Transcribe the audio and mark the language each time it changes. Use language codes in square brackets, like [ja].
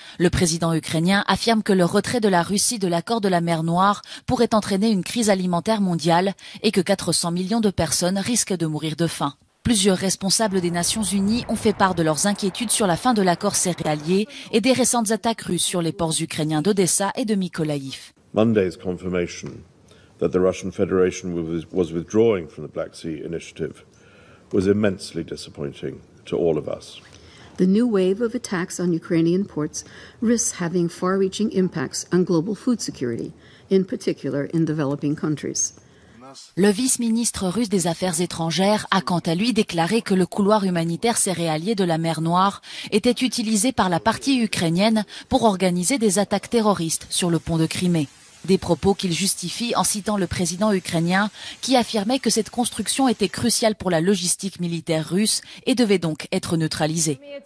[fr] Le président ukrainien affirme que le retrait de la Russie de l'accord de la mer Noire pourrait entraîner une crise alimentaire mondiale et que 400 millions de personnes risquent de mourir de faim. Plusieurs responsables des Nations Unies ont fait part de leurs inquiétudes sur la fin de l'accord céréalier et des récentes attaques russes sur les ports ukrainiens d'Odessa et de Mykolaïv. [en] Monday's confirmation that the Russian Federation was withdrawing from the Black Sea initiative was immensely disappointing to all of us. The new wave of attacks on Ukrainian ports risks having far-reaching impacts on global food security, in particular in developing countries. [fr] Le vice-ministre russe des Affaires étrangères a quant à lui déclaré que le couloir humanitaire céréalier de la mer Noire était utilisé par la partie ukrainienne pour organiser des attaques terroristes sur le pont de Crimée. Des propos qu'il justifie en citant le président ukrainien qui affirmait que cette construction était cruciale pour la logistique militaire russe et devait donc être neutralisée.